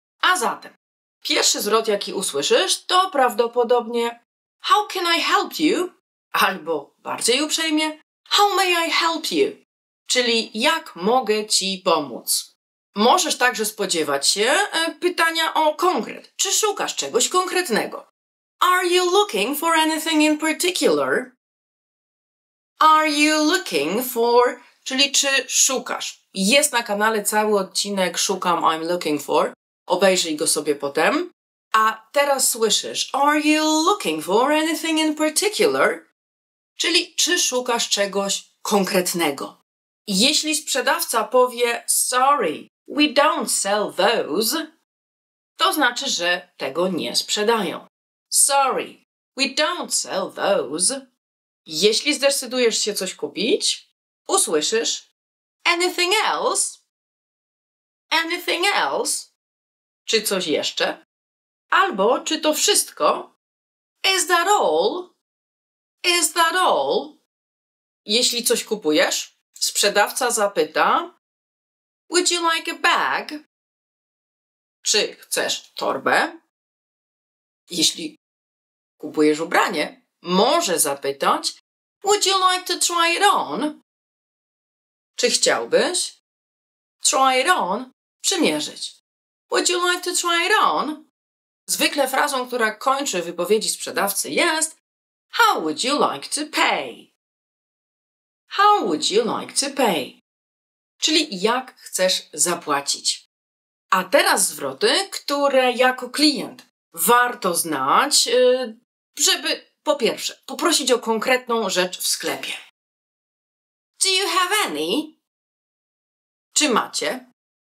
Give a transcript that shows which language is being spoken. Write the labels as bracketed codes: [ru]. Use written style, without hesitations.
[pl] A zatem, pierwszy zwrot, jaki usłyszysz, to prawdopodobnie [en] How can I help you? [pl] Albo bardziej uprzejmie [en] How may I help you? [pl] Czyli jak mogę Ci pomóc? Możesz także spodziewać się pytania o konkret. Czy szukasz czegoś konkretnego? [en] Are you looking for anything in particular? Are you looking for... [pl] Czyli czy szukasz? Jest na kanale cały odcinek Szukam, [en] I'm looking for. [pl] Obejrzyj go sobie potem. A teraz słyszysz. [en] Are you looking for anything in particular? [pl] Czyli czy szukasz czegoś konkretnego? Jeśli sprzedawca powie [en] sorry, we don't sell those, [pl] to znaczy, że tego nie sprzedają. [en] Sorry, we don't sell those. [pl] Jeśli zdecydujesz się coś kupić, usłyszysz [en] anything else? Anything else? [pl] Czy coś jeszcze? Albo czy to wszystko? [en] Is that all? Is that all? [pl] Jeśli coś kupujesz, sprzedawca zapyta [en] Would you like a bag? [pl] Czy chcesz torbę? Jeśli kupujesz ubranie, może zapytać [en] Would you like to try it on? [pl] Czy chciałbyś? [en] Try it on? [pl] Przymierzyć. [en] Would you like to try it on? [pl] Zwykle frazą, która kończy wypowiedzi sprzedawcy jest [en] How would you like to pay? How would you like to pay? [pl] Czyli jak chcesz zapłacić. A teraz zwroty, które jako klient warto znać, żeby po pierwsze poprosić o konkretną rzecz w sklepie. [en] Do you have any? [pl] Czy macie?